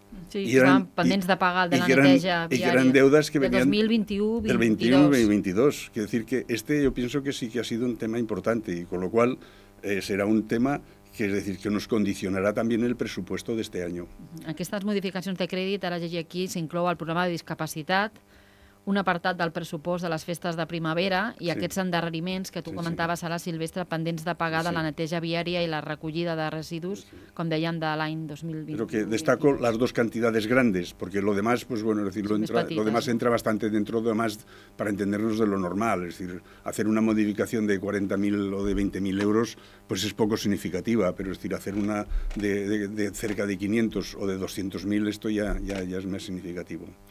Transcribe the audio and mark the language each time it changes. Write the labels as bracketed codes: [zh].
[ca] Sí, y eran pendents de pagar de la neteja viària. [es] Y que eran deudas que venían de 2021-22. Del 2021-22. Quiero decir que este yo pienso que sí que ha sido un tema importante, y con lo cual será un tema que, es decir, que nos [ca] condicionarà també el pressupost d'aquest any. Aquestes modificacions de crèdit, ara llegir aquí, s'inclou al programa de discapacitat, un apartat del pressupost de les festes de primavera i sí, aquests endarreriments que tu sí, comentaves ara, Silvestre, pendents de pagar sí, de la neteja viària i la recollida de residus, sí, com deien, de l'any 2020. Però que destaco les dues quantitats grans, perquè [es] lo demás, pues bueno, es decir, lo demás entra bastante dentro, de más, para entendernos de lo normal, es decir, hacer una modificación de 40.000 o de 20.000 euros, pues es poco significativa, pero es decir, hacer una de cerca de 500 o de 200.000, esto ya es más significativo.